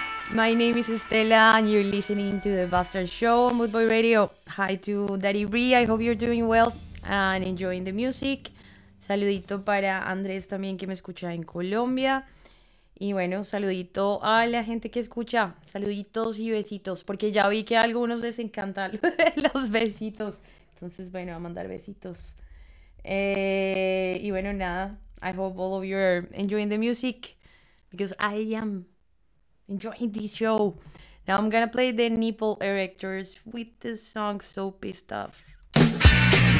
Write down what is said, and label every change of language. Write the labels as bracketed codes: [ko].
[en] My name is Stella, and you're listening to the Bastard Show on Mood Boy Radio. Hi to Daddy Bree, I hope you're doing well and enjoying the music. [es] Saludito para Andrés también, que me escucha en Colombia. Y bueno, saludito a la gente que escucha. Saluditos y besitos, porque ya vi que a algunos les encantan los besitos. Entonces, bueno, a mandar besitos. Y bueno, nada. [en] I hope all of you are enjoying the music, because I am enjoying this show. Now I'm gonna play the Nipple Erectors with the song So Pissed Off.